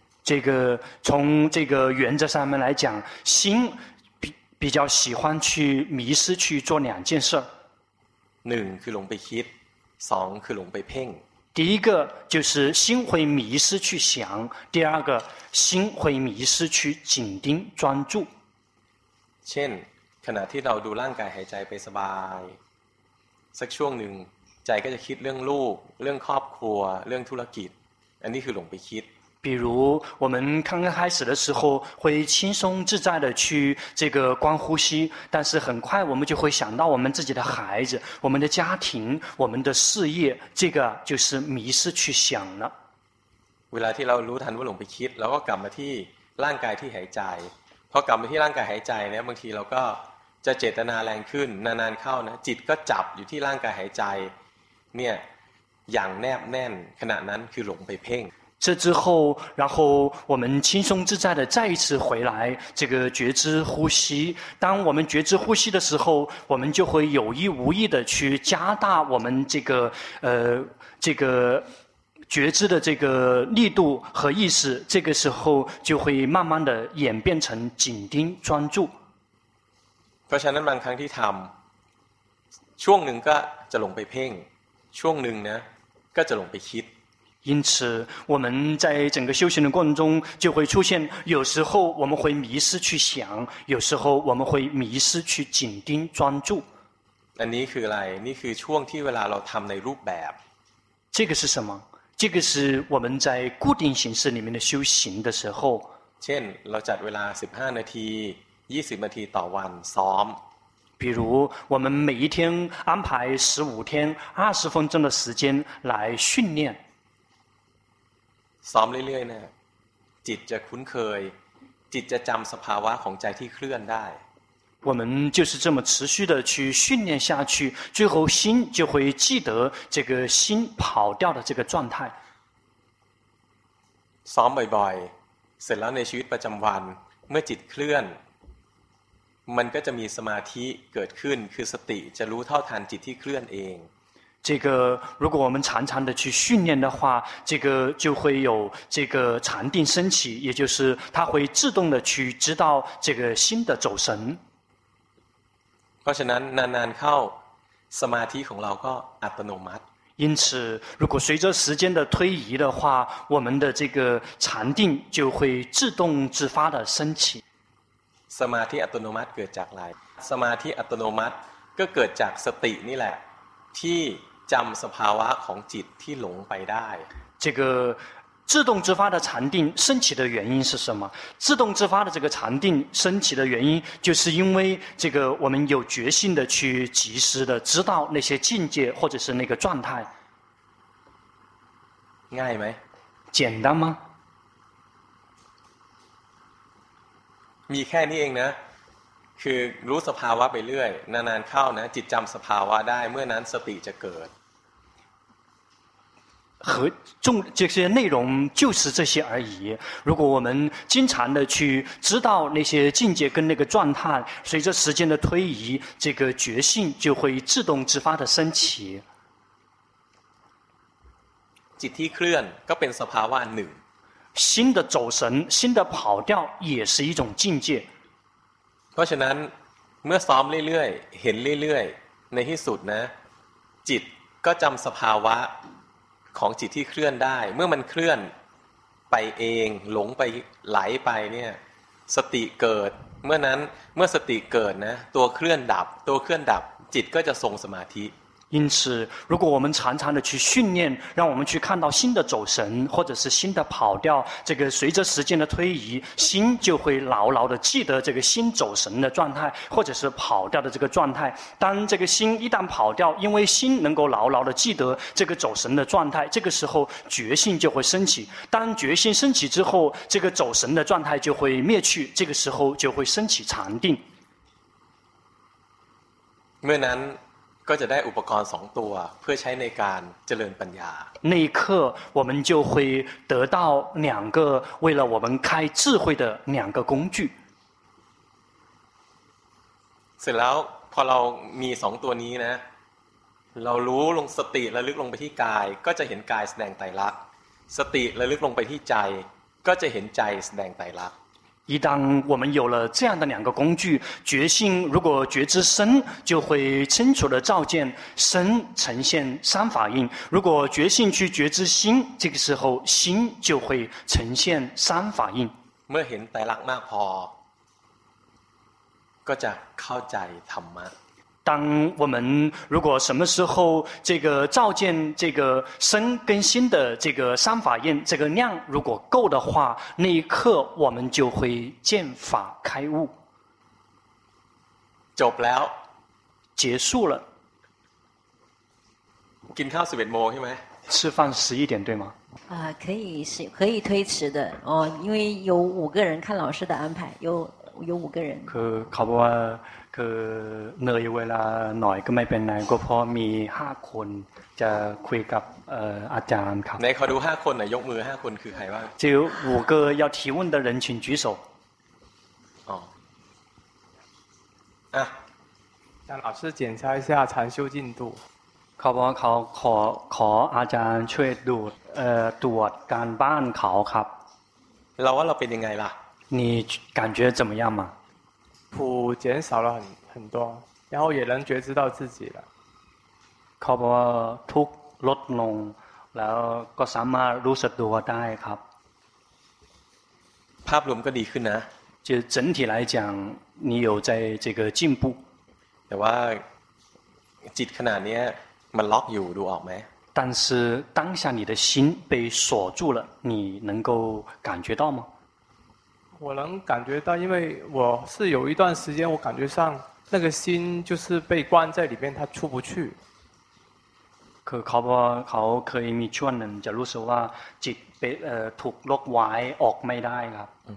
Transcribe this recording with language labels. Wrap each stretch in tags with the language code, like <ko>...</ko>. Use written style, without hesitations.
<zh>这个从这个原则上面来讲心 比较喜欢去迷失去做两件事</zh> <th>หนึ่งคือหลงไปคิดสองคือหลงไปเพ่ง</th> <zh>第一个就是心会迷失去想第二个心会迷失去紧盯专注</zh> <th>เช่นขณะที่เราดูร่างกายหายใจไปสบายสักช่วงหนึ่งใจก็จะคิดเรื่องลูกเรื่องครอบครัวเรื่องธุรกิจอันนี้คือหลงไปคิด</th> <zh>比如我们刚刚开始的时候会轻松自在的去这个观呼吸但是很快我们就会想到我们自己的孩子我们的家庭我们的事业这个就是迷失去想了</zh> <th>เวลาที่เรารู้ทันว่าหลงไปคิดเราก็กลับมาที่ร่างกายที่หายใจพอกลับมาที่ร่างกายหายใจเนี่ยบางทีเราก็จะเจตนาแรงขึ้นนานๆเข้านะจิตก็จับอยู่ที่ร่างกายหายใจเนี่ยอย่างแนบแน่นขณะนั้นคือหลงไปเพ่ง</th> <zh>这之后然后我们轻松自在的再一次回来这个觉知呼吸当我们觉知呼吸的时候我们就会有意无意的去加大我们这个这个觉知的这个力度和意识这个时候就会慢慢的演变成紧盯专注</zh> <th>เพราะฉะนั้นบางครั้งที่ทำช่วงหนึ่งก็จะหลงไปเพ่งช่วงหนึ่งนะก็จะหลงไปคิด</th> <zh>因此我们在整个修行的过程中就会出现有时候我们会迷失去想有时候我们会迷失去紧盯专注</zh> <th>อันนี้คืออะไรนี่คือช่วงที่เวลาเราทำในรูปแบบ</th> <zh>这个是什么这个是我们在固定形式里面的修行的时候</zh> <th>เช่นเราจัดเวลา15นาที20นาทีต่อวันซ้อม</th> <zh>比如我们每一天安排15天20分钟的时间来训练</zh> <th>ซ้อมเรื่อยๆเนี่ยจิตจะคุ้นเคยจิตจะจำสภาวะของใจที่เคลื่อนได้</th> <zh>我们就是这么持续的去训练下去最后心就会记得这个心跑掉的这个状态</zh> <th>ซ้อมบ่อยๆเสร็จแล้วในชีวิตประจำวันเมื่อจิตเคลื่อนมันก็จะมีสมาธิเกิดขึ้นคือสติจะรู้เท่าทันจิตที่เคลื่อนเอง</th> <zh>这个如果我们常常的去训练的话这个就会有这个禅定升起也就是它会自动的去知道这个心的走神</zh> <th>เพราะฉะนั้นนานๆเข้าสมาธิของเราก็อัตโนมัติ</th> <zh>因此如果随着时间的推移的话我们的这个禅定就会自动自发的升起</zh> <th>สมาธิอัตโนมัติเกิดจากอะไรสมาธิอัตโนมัติก็เกิดจากสตินี่แหละที่จำสภาวะของจิตที่หลงไปได้</th> <zh>这个自动自发的禅定升起的原因是什么自动自发的这个禅定升起的原因就是因为这个我们有决心的去及时的知道那些境界或者是那个状态</zh> <th>ง่ายไหม</th> <zh>简单吗</zh> <th>มีแค่นี้เองนะคือรู้สภาวะไปเรื่อยนานๆเข้านะจิตจำสภาวะได้เมื่อนั้นสติจะเกิด</th> <zh>和重这些内容就是这些而已。如果我们经常的去知道那些境界跟那个状态，随着时间的推移，这个觉性就会自动自发的升起。</zh> <th>จิตที่เคลื่อนก็เป็นสภาวะหนึ่ง</th> <zh>新的走神新的跑掉也是一种境界</zh> <th>เพราะฉะนั้นเมื่อซ้อมเรื่อยๆเห็นเรื่อยๆในที่สุดนะจิตก็จำสภาวะของจิตที่เคลื่อนได้เมื่อมันเคลื่อนไปเองหลงไปไหลไปเนี่ยสติเกิดเมื่อนั้นเมื่อสติเกิดนะตัวเคลื่อนดับตัวเคลื่อนดับจิตก็จะทรงสมาธิ</th> <zh>因此如果我们常常的去训练让我们去看到心的走神或者是心的跑掉这个随着时间的推移心就会牢牢的记得这个心走神的状态或者是跑掉的这个状态当这个心一旦跑掉因为心能够牢牢的记得这个走神的状态这个时候觉性就会升起当觉性升起之后这个走神的状态就会灭去这个时候就会升起禅定没难</zh> <th>ก็จะได้อุปกรณ์สองตัวเพื่อใช้ในการเจริญปัญญา</th> <zh>那一刻我们就会得到两个为了我们开智慧的两个工具</zh> <th>เสร็จแล้วพอเรามีสองตัวนี้นะเรารู้ลงสติระลึกลงไปที่กายก็จะเห็นกายแสดงไตรลักษณ์สติระลึกลงไปที่ใจก็จะเห็นใจแสดงไตรลักษณ์</th> <zh>一旦我们有了这样的两个工具觉性如果觉知身就会清楚地照见身呈现三法印如果觉性去觉知心这个时候心就会呈现三法印</zh> <th>เมื่อเห็นไตรลักษณ์มากพอก็จะเข้าใจธรรมะ</th> <zh>当我们如果什么时候这个照见这个身跟心的这个三法印这个量如果够的话那一刻我们就会见法开悟</zh> <th>จบแล้ว</th> <zh>结束了</zh> <th>กินข้าว11โมงใช่ไหม</th> <zh>吃饭11点对吗可以是可以推迟的哦因为有五个人看老师的安排有五个人</zh> <th>คือเขาบอกว่าคือเหนื่อยเวลาหน่อยก็ไม่เป็นไรก็เพราะมี5คนจะคุยกับอาจารย์ครับ ในขอดู5คนน่ะยกมือ5คนคือใครบ้าง จิ๋ว</th> <zh>5个要提问的人请举手</zh> <th>อ๋ออ่ะ ท่าน</th> <zh>老师检查一下禅修进度</zh> <th>เขาบอกเขาขออาจารย์ช่วยดูตรวจการบ้านเขาครับ เราว่าเราเป็นยังไงล่ะ</th> <zh>你感觉怎么样嘛苦减少了 很多然后也能觉知到自己</zh> <th>了เขาบอกทุกลดลงแล้วก็สามารถรู้สึกตัวได้ครับ ภาพรวมก็ดีขึ้นนะ</th> <zh>就整体来讲你有在这个进步</zh> <th>แต่ว่าจิตขนาดนี้มันล็อกอยู่ดูออกไหม</th> <zh>但是当下你的心被锁住了你能够感觉到吗我能感觉到因为我是有一段时间我感觉上那个心就是被关在里面它出不去</zh> <th>คือเขาบอกเขาเคยมีช่วงหนึ่งจะรู้สึกว่าจิตไปถูกล็อกไว้ออกไม่ได้ครับ</th>